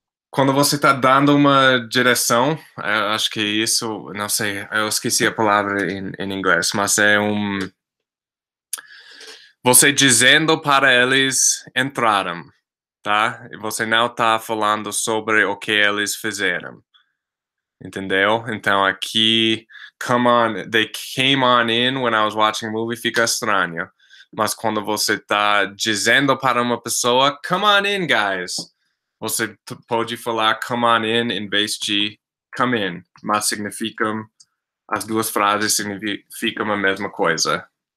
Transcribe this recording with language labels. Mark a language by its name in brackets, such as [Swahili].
[Portuguese] quando você está dando uma direção, eu acho que isso, não sei, eu esqueci a palavra em inglês, mas é um... Você dizendo para eles entraram, tá? E você não está falando sobre o que eles fizeram, entendeu? Então aqui, come on, [English] they came on in when I was watching a movie, [Portuguese] fica estranho. Mas quando você está dizendo para uma pessoa, [English] come on in, guys. [Portuguese] Você pode falar come on in vez de come in, mas significam, as duas frases significam a mesma coisa.